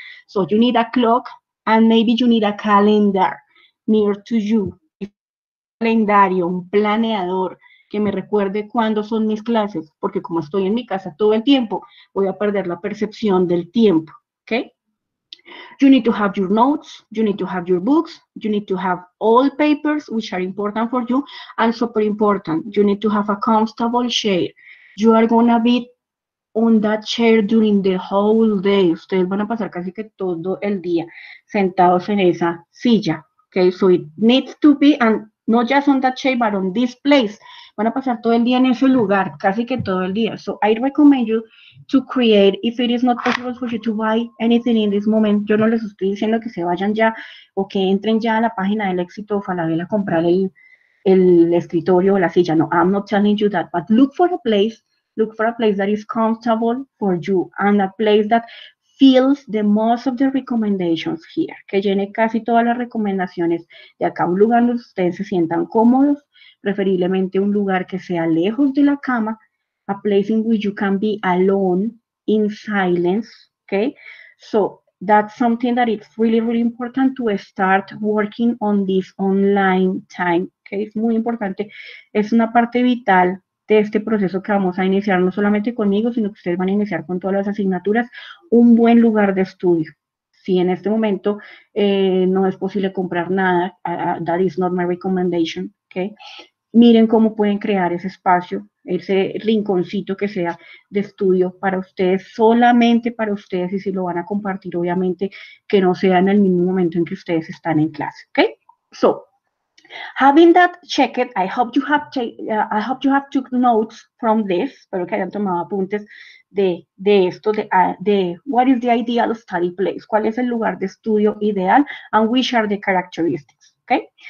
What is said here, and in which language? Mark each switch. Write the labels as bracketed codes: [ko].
[en] So you need a clock and maybe you need a calendar near to you, [es] calendario, un planeador, que me recuerde cuándo son mis clases, porque como estoy en mi casa todo el tiempo, voy a perder la percepción del tiempo, ¿ok? [en] You need to have your notes, you need to have your books, you need to have all papers, which are important for you, and super important, you need to have a comfortable chair. You are going to be on that chair during the whole day. [es] Ustedes van a pasar casi que todo el día sentados en esa silla, ¿ok? [en] So it needs to be, and not just on that chair, but on this place. [es] Van a pasar todo el día en ese lugar, casi que todo el día. [en] So I recommend you to create, if it is not possible for you to buy anything in this moment, [es] yo no les estoy diciendo que se vayan ya o que entren ya a la página del Éxito o Falabella a comprar el escritorio o la silla. [en] No, I'm not telling you that. But look for a place that is comfortable for you and a place that fills the most of the recommendations here, [es] que llene casi todas las recomendaciones de acá, un lugar donde ustedes se sientan cómodos, preferiblemente un lugar que sea lejos de la cama, [en] a place in which you can be alone, in silence, okay? So that's something that it's really, really important to start working on this online time, okay? [es] Es muy importante, es una parte vital de este proceso que vamos a iniciar, no solamente conmigo, sino que ustedes van a iniciar con todas las asignaturas, un buen lugar de estudio. Si en este momento no es posible comprar nada, [en] that is not my recommendation, okay. [es] Miren cómo pueden crear ese espacio, ese rinconcito que sea de estudio para ustedes, solamente para ustedes, y si lo van a compartir, obviamente, que no sea en el mismo momento en que ustedes están en clase, okay. [en] So, having that checked, I hope you have took notes from this, [es] espero que hayan tomado apuntes de esto, de [en] what is the ideal study place, [es] cuál es el lugar de estudio ideal, [en] and which are the characteristics, okay?